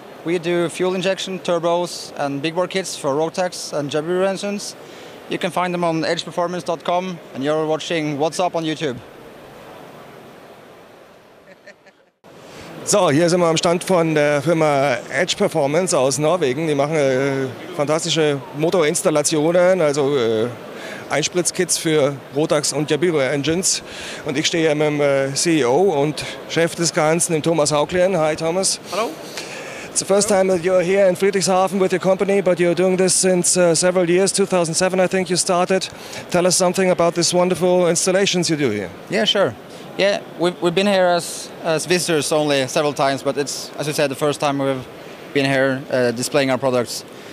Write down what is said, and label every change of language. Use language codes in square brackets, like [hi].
[en] We do fuel injection, turbos and big bore kits for Rotax and Jabiru engines. You can find them on Edgeperformance.com and you're watching What's Up on YouTube. [de] So, hier sind wir am Stand von der Firma Edgeperformance aus Norwegen. Die machen fantastische Motorinstallationen, also Einspritzkits für Rotax und Jabiru Engines. Und ich stehe hier mit dem CEO und Chef des Ganzen, dem Thomas Hauklien. [en] Hi, Thomas. [de] Hallo. [en] It's the first time that you're here in Friedrichshafen with your company, but you're doing this since several years, 2007, I think you started. Tell us something about this wonderful installations you do here. Yeah, sure. Yeah, we've been here as visitors only several times, but it's, as you said, the first time we've been here displaying our products.